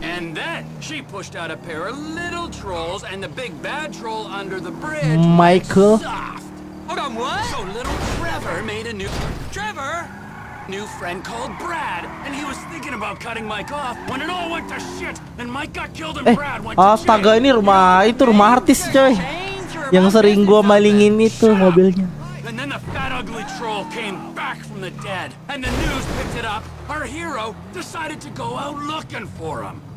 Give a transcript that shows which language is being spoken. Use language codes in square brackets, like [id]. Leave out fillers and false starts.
[en] And then she pushed out a pair of little trolls and the big bad troll under the bridge. Michael. Hold on, what? So little Trevor made a new Trevor, new friend called Brad, and he was thinking about cutting Mike off when it all went to shit and Mike got killed and Brad went to shit. [id] Astaga, ini rumah itu rumah artis, coy. Yang sering gua malingin itu mobilnya. [en] And then the fat ugly troll came back from the dead and the news picked it up. Our hero decided to go out looking for him.